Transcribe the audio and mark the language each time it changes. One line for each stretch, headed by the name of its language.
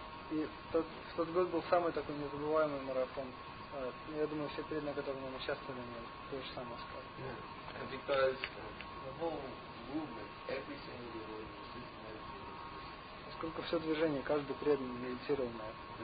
Russian: И тот год был самый такой незабываемый марафон. Я думаю, все преданные, которые в нем участвовали, мне то же самое сказали.
English: Yeah. And because the whole movement, every single devotee was
Russian: Сколько все движение, каждый преданный медитировал на это.